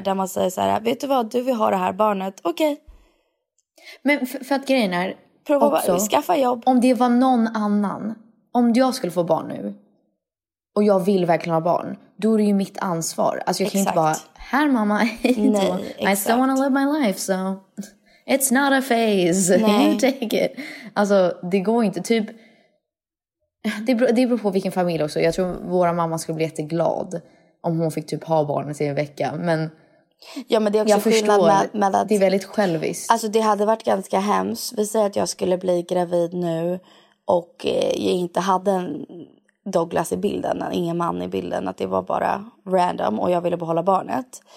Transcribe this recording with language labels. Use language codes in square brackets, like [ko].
[sv] Där man säger så här, vet du vad, du vill ha det här barnet. Okej. Men för att grejen är, prova också, skaffa jobb. Om det var någon annan, om jag skulle få barn nu, och jag vill verkligen ha barn, då är det ju mitt ansvar. Alltså, jag kan inte bara, här mamma. Nej, [en] I still want to live my life, so it's not a phase. [sv] Nej. [en] You take it. [sv] Alltså, det går inte. Typ, det beror på vilken familj också. Jag tror våra mamma skulle bli jätteglad om hon fick typ ha barnet i en vecka. Men, ja, men det är också skillnad med att det är väldigt själviskt. Alltså, det hade varit ganska hemskt. Vi säger att jag skulle bli gravid nu och jag inte hade en Douglas i bilden, ingen man i bilden, att det var bara random och jag ville behålla barnet.